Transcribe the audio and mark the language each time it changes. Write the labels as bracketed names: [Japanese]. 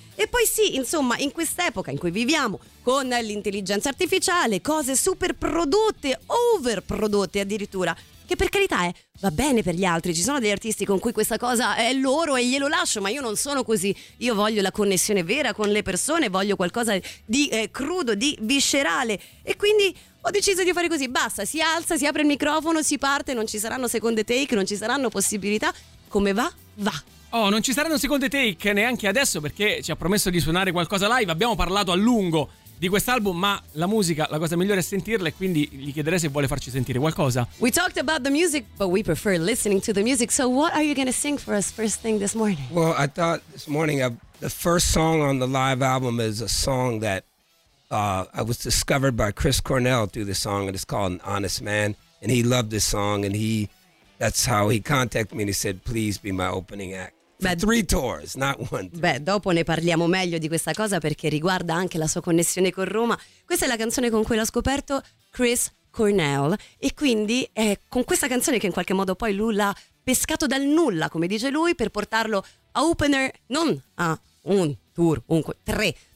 [Italian] E poi sì, insomma, in quest'epoca in cui viviamo con l'intelligenza artificiale, cose super prodotte, overprodotte addirittura, che per carità va bene per gli altri, ci sono degli artisti con cui questa cosa è loro e glielo lascio, ma io non sono così, io voglio la connessione vera con le persone, voglio qualcosa di crudo, di viscerale, e quindi ho deciso di fare così, basta, si alza, si apre il microfono, si parte, non ci saranno seconde take, non ci saranno possibilità, come va, va. Oh, non ci saranno seconde take neanche adesso, perché ci ha promesso di suonare qualcosa live. Abbiamo parlato a lungo di quest'album, ma la musica, la cosa migliore è sentirla, e quindi gli chiederei se vuole farci sentire qualcosa. [English] We talked about the music, but we prefer listening to the music. So what are you going to sing for us first thing this morning? Well, I thought this morning the first song on the live album is a song that I was discovered by Chris Cornell through this song, and it's called An Honest Man, and he loved this song, and that's how he contacted me, and he said, please be my opening act. Beh, three tours, not one. [Italian] Beh, dopo ne parliamo meglio di questa cosa, perché riguarda anche la sua connessione con Roma. Questa è la canzone con cui l'ho scoperto, Chris Cornell, e quindi è con questa canzone che in qualche modo poi lui l'ha pescato dal nulla, come dice lui, per portarlo a opener, non a un tour, tre.